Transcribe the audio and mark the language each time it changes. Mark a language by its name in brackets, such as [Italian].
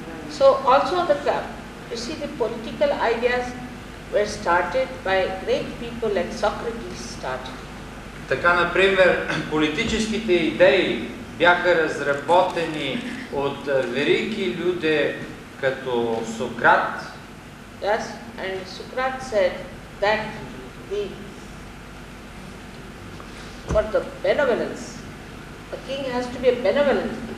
[English] So also the fact, you see, the political ideas were started by great people like Socrates started. [Bulgarian] Така, например, политическите идеи бяха разработени от велики люди като Сократ. [English] Yes, and Socrat said that the for the benevolence, a king has to be a benevolent.